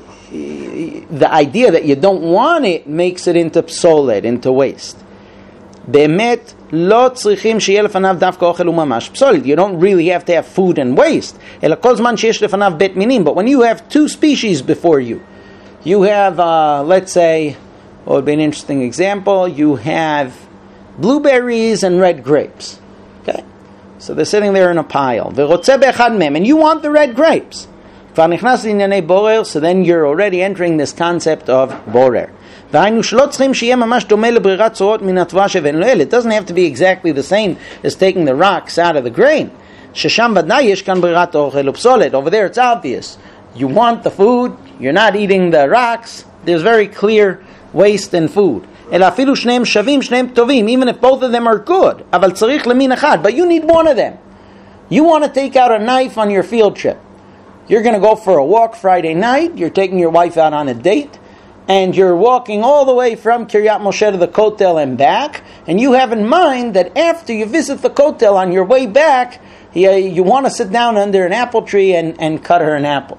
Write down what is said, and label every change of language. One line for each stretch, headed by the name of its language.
English: The idea that you don't want it makes it into psolet, into waste.
Hebrew: באמת לא צריכים שיהיה לפניו דווקא אוכל וממש פסולת.
English: You don't really have to have food and waste.
Hebrew: אלא כל זמן שיש לפניו בית מינים.
English: But when you have two species before you, you have, let's say, what would be an interesting example, you have blueberries and red grapes. Okay? So they're sitting there in a pile.
Hebrew: ורוצה באחד מהם,
English: and you want the red grapes.
Hebrew: כבר נכנס לענייני בורר,
English: so then you're already entering this concept of בורר.
Hebrew: והיינו שלא צריכים שיהיה ממש דומה לברירת צורות מן התבואה שבין לאל.
English: It doesn't have to be exactly the same as taking the rocks out of the grain.
Hebrew: ששם ודאי יש כאן ברירת אוכל ופסולת.
English: Over there it's obvious. You want the food, you're not eating the rocks. There's very clear waste in food.
Hebrew: אלא אפילו שניהם שווים, שניהם טובים,
English: even if both of them are good,
Hebrew: אבל צריך למין אחד,
English: but you need one of them. You want to take out a knife on your field trip. You're going to go for a walk Friday night, you're taking your wife out on a date, and you're walking all the way from Kiryat Moshe to the Kotel and back, and you have in mind that after you visit the Kotel on your way back, you want to sit down under an apple tree and cut her an apple.